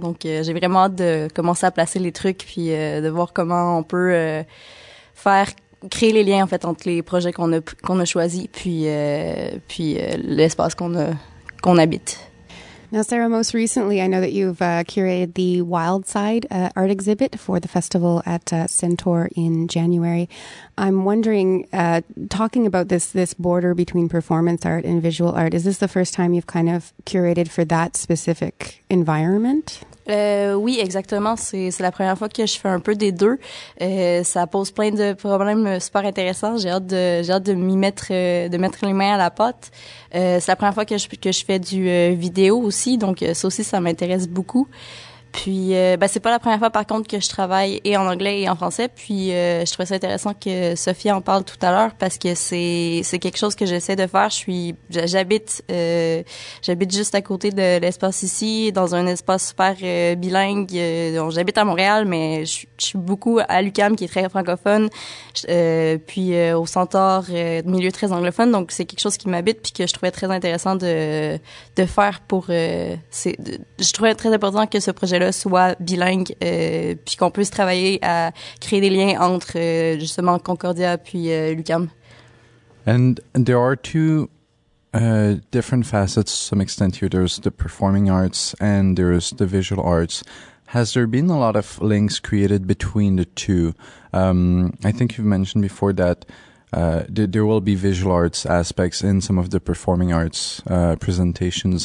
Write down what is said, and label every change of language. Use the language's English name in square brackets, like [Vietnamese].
[French] Donc, j'ai vraiment hâte de commencer à placer les trucs puis de voir comment on peut créer les liens, en fait, entre les projets qu'on a choisis puis l'espace qu'on habite. [English] Now, Sarah, most recently, I know that you've curated the Wildside art exhibit for the festival at Centaur in January. I'm wondering, talking about this border between performance art and visual art, is this the first time you've kind of curated for that specific environment? [French] Oui, exactement. C'est la première fois que je fais un peu des deux. Ça pose plein de problèmes super intéressants. J'ai hâte de m'y mettre, de mettre les mains à la pâte. C'est la première fois que je fais du vidéo aussi. Donc, ça aussi, ça m'intéresse beaucoup. Puis, c'est pas la première fois, par contre, que je travaille et en anglais et en français. Puis, je trouvais ça intéressant que Sophie en parle tout à l'heure parce que c'est quelque chose que j'essaie de faire. J'habite juste à côté de l'espace ici, dans un espace super bilingue. Donc, j'habite à Montréal, mais je suis beaucoup à l'UQAM, qui est très francophone. Au Centaure, milieu très anglophone. Donc, c'est quelque chose qui m'habite puis que je trouvais très intéressant de faire pour, je trouvais très important que ce projet-là soit bilingue, puis qu'on puisse travailler à créer des liens entre justement Concordia puis l'UQAM. [English] And there are two different facets to some extent here. There's the performing arts and there's the visual arts. Has there been a lot of links created between the two? I think you've mentioned before that there will be visual arts aspects in some of the performing arts presentations.